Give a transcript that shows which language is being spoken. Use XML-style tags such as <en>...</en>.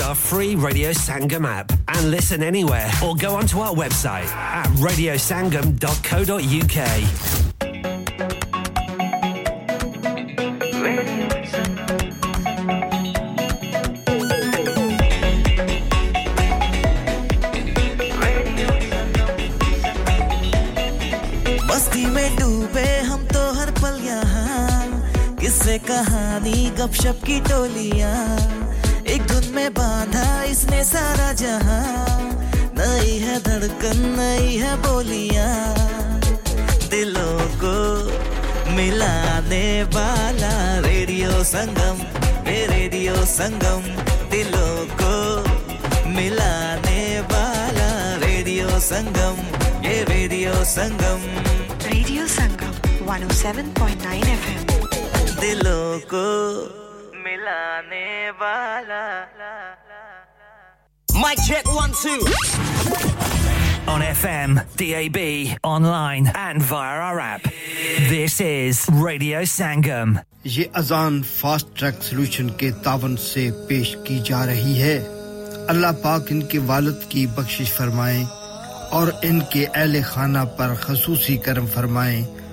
<en>Free Radio Sangam app and listen anywhere or go onto our website at radiosangam.co.uk.</en> <hi>Basti mein doobe hum to har pal yahan kisse kahani gup shup ki toliyan बांधा इसने सारा जहां नई है धड़कन नई है बोलियां दिलों को मिलाने वाला रेडियो संगम दिलों को मिलाने वाला रेडियो संगम</hi> <en>107.9 FM</en> <hi>दिलों को</hi> <en>Mic check 1, 2. On FM, DAB, online and via our app. This is Radio Sangam.</en> <hi>ये अजान फास्ट ट्रैक सॉल्यूशन के तावन से पेश की जा रही है. अल्लाह पाक इनके वालिद की बख्शिश फरमाए और इनके अहले खाना पर खसूसी करम फरमाए.</hi>